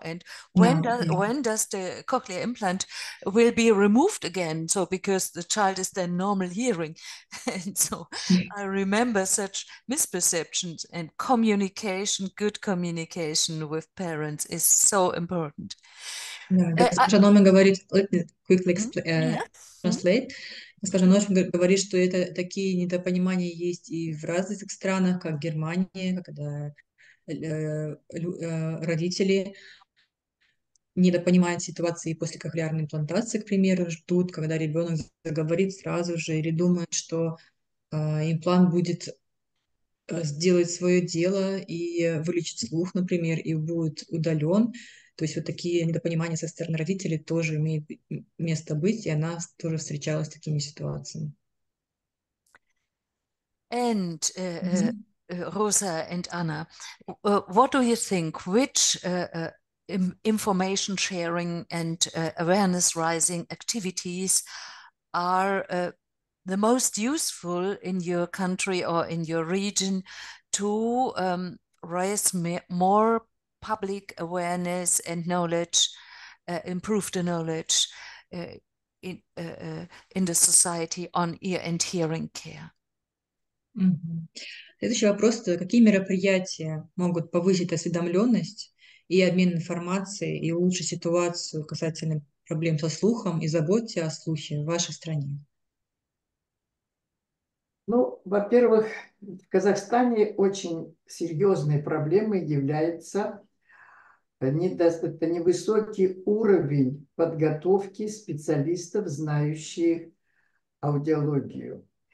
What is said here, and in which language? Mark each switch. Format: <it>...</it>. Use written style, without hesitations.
<en>And when does the cochlear implant will be removed again? So because the child is then normal hearing. And so I remember such misperceptions, and communication, good communication with parents is so important.</en> <ru>Говорит,</ru> <en>let me quickly translate.</en> <ru>Скажем, она очень говорит, что это такие недопонимания есть и в развитых странах, как Германия, когда родители недопонимают ситуации после кохлеарной имплантации, к примеру, ждут, когда ребенок заговорит сразу же или думает, что имплант будет сделать свое дело и вылечить слух, например, и будет удален. То есть вот такие недопонимания со стороны родителей тоже имеют место быть, и она тоже встречалась с такими ситуациями.</ru> <en>And Rosa and Anna, what do you think? Which information sharing and awareness raising activities are the most useful in your country or in your region to raise more public awareness and knowledge, improve the knowledge in the society on ear and hearing care?</en> <ru>Следующий вопрос: какие мероприятия могут повысить осведомленность и обмен информацией и улучшить ситуацию касательно проблем со слухом и заботе о слухе в вашей стране? Ну, во-первых, в Казахстане очень серьезной проблемой является невысокий уровень подготовки специалистов, знающих аудиологию.</ru>